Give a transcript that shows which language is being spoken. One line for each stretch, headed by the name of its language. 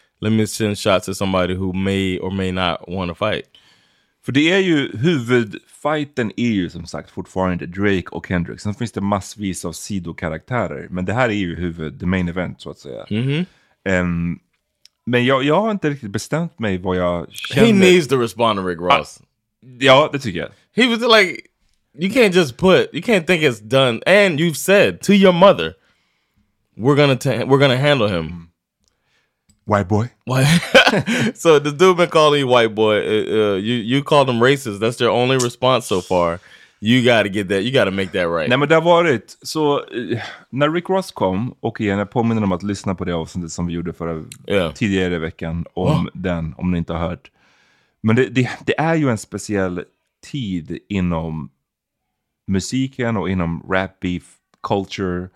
English: Let me send shots to somebody who may or may not want to fight.
Swedish: För det är ju huvudfighten är ju som sagt fortfarande Drake och Kendrick. Sen finns det massvis av sidokaraktärer. Men det här är ju
English: the main event
Swedish: så att säga. Mm-hmm. Men jag har inte riktigt bestämt mig vad jag känner.
English: He needs to respond to Rick Ross.
Swedish: Ja, det tycker jag.
English: He was like, you can't just put, you can't think it's done. And you've said to your mother, we're gonna handle him. White boy. Why? So the dude been calling you white boy. You called him racist. That's their only response so far. You gotta get that. You gotta make that right.
Swedish: Nej, men det var det. Så när Rick Ross kom, och igen, jag påminner om att lyssna på det avsnittet som vi gjorde förra tidigare veckan om den, om ni inte har hört. Men det är ju en speciell tid inom musiken och inom rap beef culture.